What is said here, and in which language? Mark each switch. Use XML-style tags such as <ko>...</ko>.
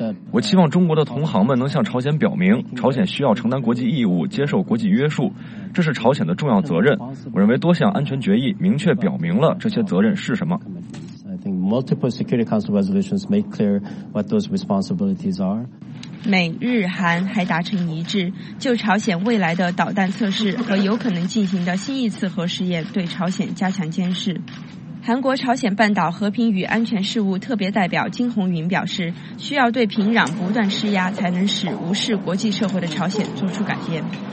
<zh>我期望中国的同行们能向朝鲜表明，朝鲜需要承担国际义务，接受国际约束，这是朝鲜的重要责任。我认为多项安全决议明确表明了这些责任是什么。</zh> <en>I think multiple Security Council resolutions make clear what those responsibilities are.</en> <zh>美日韩还达成一致，就朝鲜未来的导弹测试和有可能进行的新一次核试验对朝鲜加强监视。韩国朝鲜半岛和平与安全事务特别代表金红云表示，需要对平壤不断施压，才能使无视国际社会的朝鲜做出改变。</zh>